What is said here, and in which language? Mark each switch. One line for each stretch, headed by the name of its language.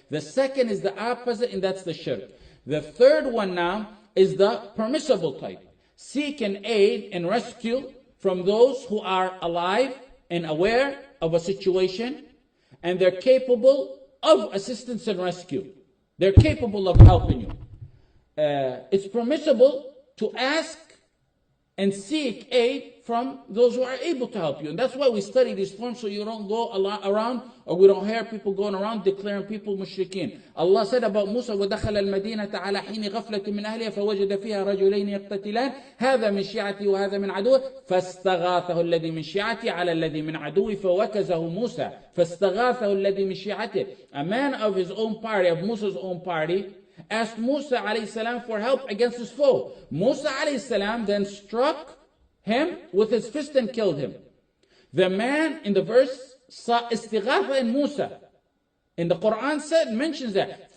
English: The second is the opposite, and that's the shirk. The third one now is the permissible type, seeking aid and rescue from those who are alive and aware of a situation, and they're capable of assistance and rescue. They're capable of helping you. It's permissible to ask and seek aid from those who are able to help you. And that's why we study these forms, so you don't go a lot around, or we don't hear people going around declaring people mushrikeen. Allah said about Musa,
Arabic: وَدَخَلَ الْمَدِينَةَ عَلَى حِينِ غَفْلَةٍ مِّنْ أَهْلِهَا فَوَجَدَ فِيهَا رَجُلَيْنِ يَقْتَتِلَانِ هَذَا مِنْ شِيَعَتِي وَهَذَا مِنْ عَدُوِهِ فَاسْتَغَاثَهُ الَّذِي مِنْ شِيَعَتِي عَلَى الَّذِي مِنْ عَدُوِهِ فَوَكَزَهُ مُوسَى فَاسْتَغَاثَهُ الَّذِي مِنْ شِيَعَتِهِ.
English: A man of his own party, of Musa's own party, asked Musa alayhi salam for help against his foe. Musa alayhi salam then struck him with his fist and killed him. The man in the verse saw istighatha in Musa. In the Quran said, mentions that.